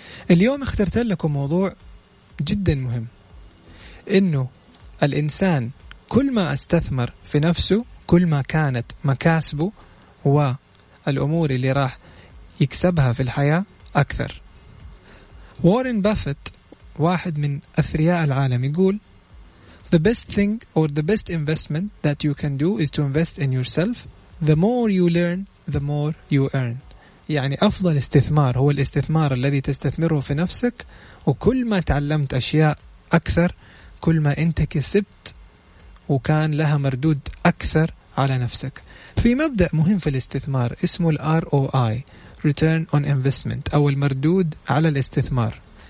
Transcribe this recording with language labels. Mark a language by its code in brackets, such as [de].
[ar] اليوم اخترت لكم موضوع جدا مهم، إنه الإنسان كل ما استثمر في نفسه كل ما كانت مكاسبه والأمور اللي راح يكسبها في الحياة أكثر. [en] Warren Buffett, [ar] واحد من أثرياء العالم، يقول [en] The best thing or the best investment that you can do is to invest in yourself. The more you learn, the more you earn. [ar] يعني أفضل استثمار هو الاستثمار الذي تستثمره في نفسك، وكل ما تعلمت أشياء أكثر كل ما أنت كسبت وكان لها مردود أكثر على نفسك. في مبدأ مهم في الاستثمار اسمه الـ ROI، Return on Investment، أو المردود على الاستثمار.